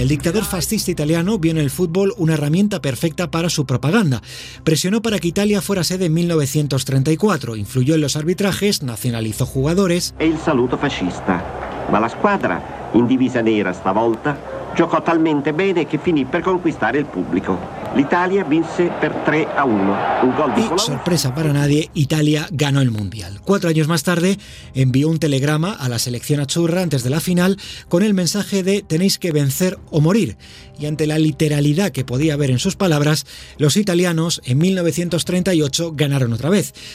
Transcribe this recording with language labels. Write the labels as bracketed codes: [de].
[es] El dictador fascista italiano vio en el fútbol una herramienta perfecta para su propaganda. Presionó para que Italia fuera sede en 1934, influyó en los arbitrajes, nacionalizó jugadores. Es el saludo fascista, [it] ma la squadra, in divisa nera stavolta, giocò talmente bene che finì per conquistare il pubblico. L'Italia vinse per 3-1. Un gol di Colombo. [es] Sorpresa para nadie, Italia ganó el Mundial. Cuatro años más tarde, envió un telegrama a la selección azzurra antes de la final con el mensaje de tenéis que vencer o morir. Y ante la literalidad que podía haber en sus palabras, los italianos en 1938 ganaron otra vez.